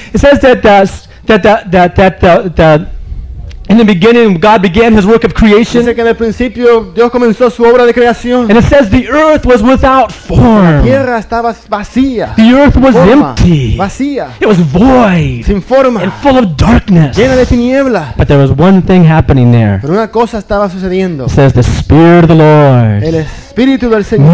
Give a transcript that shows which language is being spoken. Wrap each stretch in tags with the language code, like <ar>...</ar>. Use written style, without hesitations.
<en>It says that in the beginning God began his work of creation.</en> <es>Dice que en el principio Dios comenzó su obra de creación.</es> <en>And it says the earth was without form.</en> <es>La tierra estaba vacía.</es> <en>The earth was</en> <es>forma,</es> <en>empty.</en> <es>Vacía.</es> <en>It was void.</en> <es>Sin forma.</es> <en>And full of darkness.</en> <es>Llena de tinieblas.</es> <en>But there was one thing happening there.</en> <es>Pero una cosa estaba sucediendo.</es> <en>It says the Spirit of the Lord.</en> <es>El Espíritu del Señor.</es>